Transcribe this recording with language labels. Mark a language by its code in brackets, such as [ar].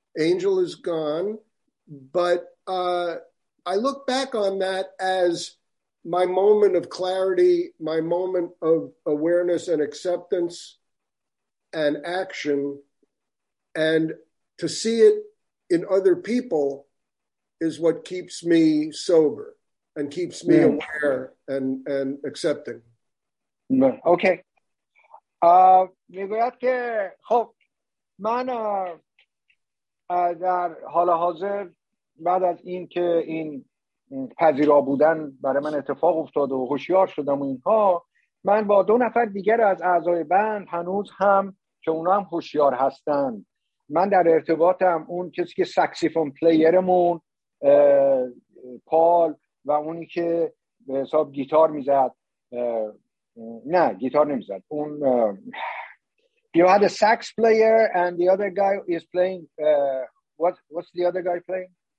[en] Angel is gone, but I look back on that as my moment of clarity, my moment of awareness and acceptance and action, and to see it in other people is what keeps me sober and keeps me aware and accepting. Okay. [fa] میگوید که خب من در حال حاضر بعد از این که این پذیرا بودن برای من اتفاق افتاد و هوشیار شدم و اینها، من با 2 نفر دیگر از اعضای بند هنوز هم که اونا هم هوشیار هستن من در ارتباطم. اون کسی که ساکسیفون پلیرمون پال و اونی که به حساب گیتار میزد نه گیتار نمیزد. [en] اون you had a sax player and the other guy is playing what's the other guy playing?